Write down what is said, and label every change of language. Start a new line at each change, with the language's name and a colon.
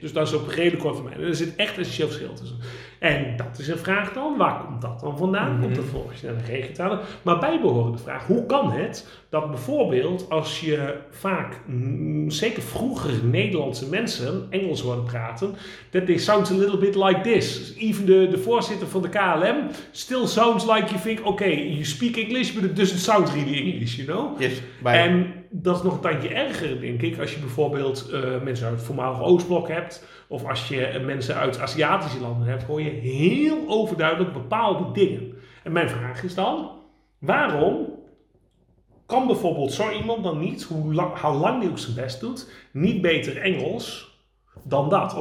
Dutch: Dus dat is op een redelijk korte termijn. En er zit echt een verschil tussen. En dat is een vraag dan, waar komt dat dan vandaan? Komt dat volgens de regentale? Maar bijbehorende vraag, hoe kan het dat bijvoorbeeld als je vaak, zeker vroeger Nederlandse mensen, Engels horen praten,
English: that they sound a little bit like this.
Dutch: Even de voorzitter van de KLM
English: still sounds like you think, okay, you speak English, but it doesn't sound really English, you know? Yes, bye.
Dutch: En dat is nog een tandje erger, denk ik, als je bijvoorbeeld mensen uit het voormalige Oostblok hebt, of als je mensen uit Aziatische landen hebt, hoor je heel overduidelijk bepaalde dingen. En mijn vraag is dan, waarom kan bijvoorbeeld zo iemand dan niet, hoe lang hij ook zijn best doet, niet beter Engels dan dat?